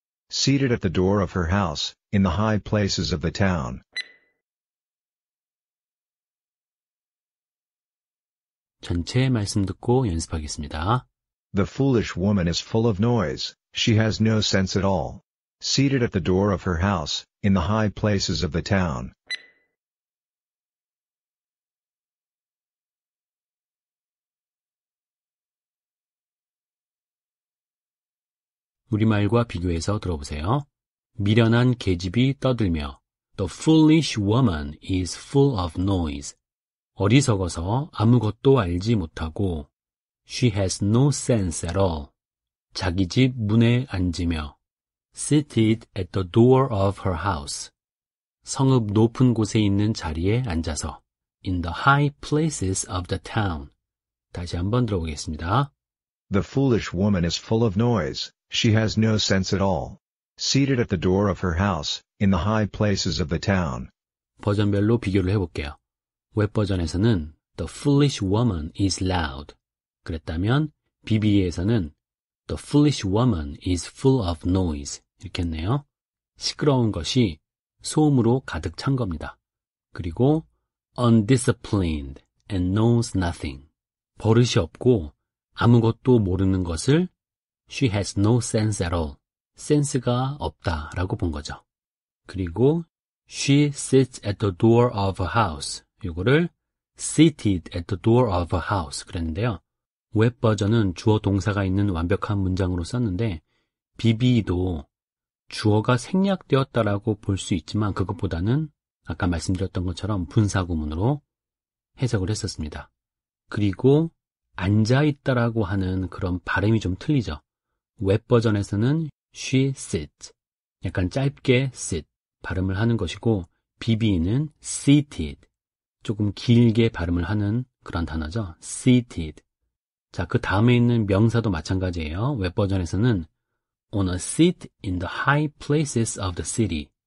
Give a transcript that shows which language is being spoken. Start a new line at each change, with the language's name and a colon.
English: Seated at the door of her house, in the high places of the town.
Korean: 전체 말씀 듣고 연습하겠습니다.
English: The foolish woman is full of noise. She has no sense at all. Seated at the door of her house, in the high places of the town. The foolish woman is full of noise.
Korean: 어리석어서 아무것도 알지 못하고
English: She has no sense at all.
Korean: 자기 집 문에 앉으며
English: Seated at the door of her house.
Korean: 성읍 높은 곳에 있는 자리에 앉아서
English: In the high places of the town.
Korean: 다시 한번 들어보겠습니다.
English: The foolish woman is full of noise. She has no sense at all. Seated at the door of her house, in the high places of the town.
Korean: 버전별로 비교를 해볼게요. 웹 버전에서는
English: The foolish woman is loud.
Korean: 그랬다면 BBE에서는
English: The foolish woman is full of noise.
Korean: 이렇게 했네요. 시끄러운 것이 소음으로 가득 찬 겁니다.
English: 그리고 undisciplined and knows nothing.
Korean: 버릇이 없고 아무것도 모르는 것을
English: She has no sense at all.
Korean: 센스가 없다 라고 본 거죠.
English: 그리고 She sits at the door of a house.
Korean: 이거를
English: seated at the door of a house
Korean: 그랬는데요. 웹 버전은 주어 동사가 있는 완벽한 문장으로 썼는데 BB도 주어가 생략되었다라고 볼 수 있지만 그것보다는 아까 말씀드렸던 것처럼 분사 구문으로 해석을 했었습니다. 그리고 앉아있다라고 하는 그런 발음이 좀 틀리죠. 웹 버전에서는
English: she sit
Korean: 약간 짧게 sit 발음을 하는 것이고 BB는 seated 조금 길게 발음을 하는 그런 단어죠.
English: seated.
Korean: 자, 그 다음에 있는 명사도 마찬가지예요.
English: 웹 버전에서는 on a seat in the high places of the city.